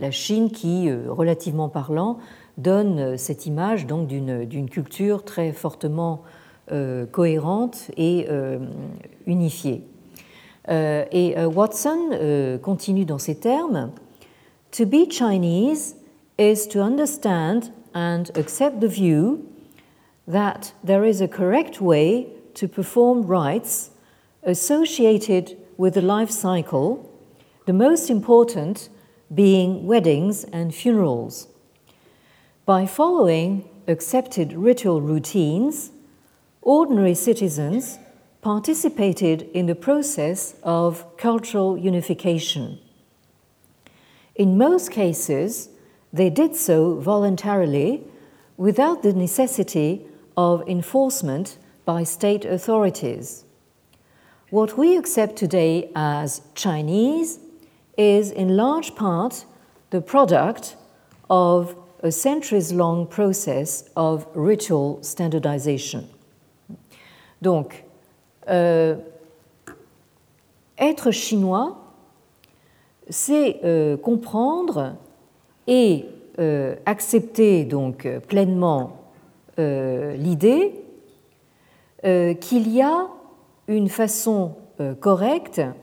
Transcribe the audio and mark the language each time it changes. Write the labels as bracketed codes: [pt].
[fr] La Chine qui, relativement parlant, donne cette image donc d'une culture très fortement cohérente et unifiée. Et Watson continue dans ces termes. [en] To be Chinese is to understand and accept the view that there is a correct way to perform rites associated with the life cycle, the most important being weddings and funerals. By following accepted ritual routines, ordinary citizens participated in the process of cultural unification. In most cases, they did so voluntarily without the necessity of enforcement by state authorities. What we accept today as Chinese is in large part the product of a centuries-long process of ritual standardization. [fr] Donc, être chinois, c'est comprendre et accepter donc pleinement l'idée qu'il y a une façon correcte